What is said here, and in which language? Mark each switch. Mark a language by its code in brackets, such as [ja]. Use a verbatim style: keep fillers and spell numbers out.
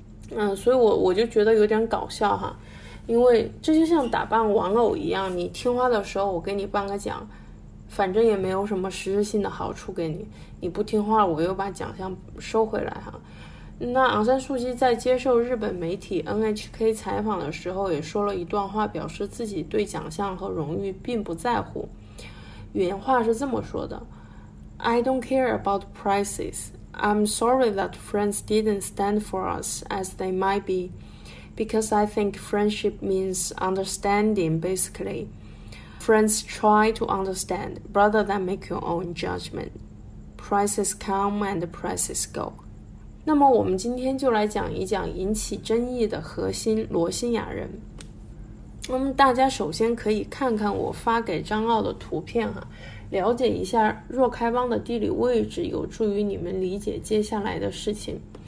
[zh] 嗯、呃，所以我我就觉得有点搞笑哈。因为这就像打扮玩偶一样，你听话的时候我给你颁个奖，反正也没有什么实质性的好处给你，你不听话我又把奖项收回来哈。那昂山素姬在接受日本媒体 N H K 采访的时候也说了一段话，表示自己对奖项和荣誉并不在乎，原话是这么说的 [en] I don't care about prizes. I'm sorry that friends didn't stand for us as they might be. Because I think friendship means understanding, basically. Friends try to understand rather than make your own judgment. Prices come and prices go. [zh] 那么我们今天就来讲一讲引起争议的核心罗兴亚人。那么大家首先可以看看我发给张奥的图片哈，了解一下若开邦的地理位置，有助于你们理解接下来的事情。